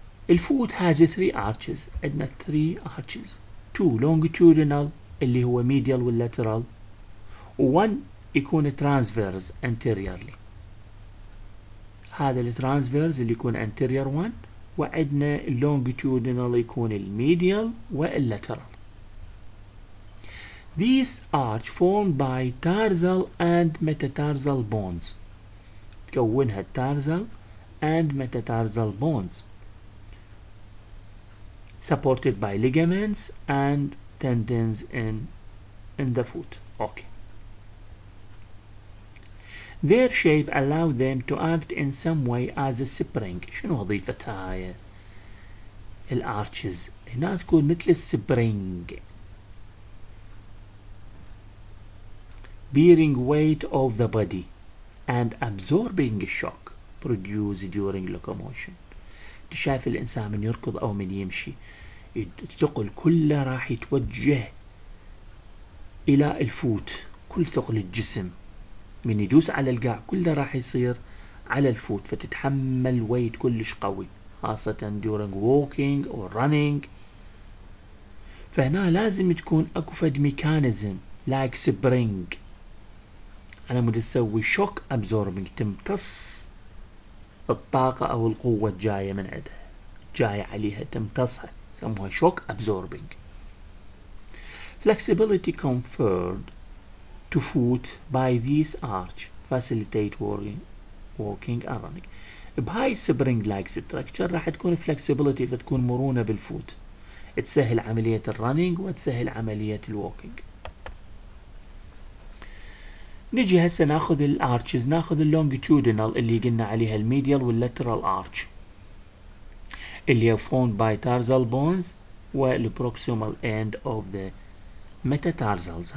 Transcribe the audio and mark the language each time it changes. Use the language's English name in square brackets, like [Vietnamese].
[Arabic] الفوت هاز 3 ارتشز، عندنا 3 ارتشز، 2 لونجيتودينال اللي هو ميديال واللاترال، و1 يكون ترانسفيرز انتيريرلي. هذا الترانسفيرز اللي يكون انتيرير 1، وعندنا اللونجيتودينال يكون الميديال واللاترال. [English] These arch formed by tarsal and metatarsal bones. [Arabic] تكونها tarsal and metatarsal bones. [English] Supported by ligaments and tendons in the foot. Okay. Their shape allow them to act in some way as a spring. [Arabic] شنو وظيفتها هاي الارتشز؟ هنا تكون مثل السبرينج. [English] Bearing weight of the body and absorbing shock produced during locomotion. [Arabic] تشايف الانسان من يركض او من يمشي الثقل كله راح يتوجه الى الفوت، كل ثقل الجسم من يدوس على القاع كله راح يصير على الفوت، فتتحمل ويت كلش قوي خاصة during walking or running. فهنا لازم تكون اكو فد ميكانيزم like spring على مود تسوي shock absorbing، تمتص الطاقة او القوة الجاية من عندها جاية عليها تمتصها، يسموها shock absorbing. [English] Flexibility conferred to foot by this arch facilitate walking and running. [Arabic] بهاي spring like structure راح تكون flexibility، فتكون مرونة بالفوت، تسهل عملية الرننج وتسهل عملية الwalking. نجي هسه ناخذ الارتشز، ناخذ اللونجيتودينال اللي قلنا عليها الميديال واللاترال ارتش اللي هي formed by tarsal bones والبروكسيمال end of the metatarsals.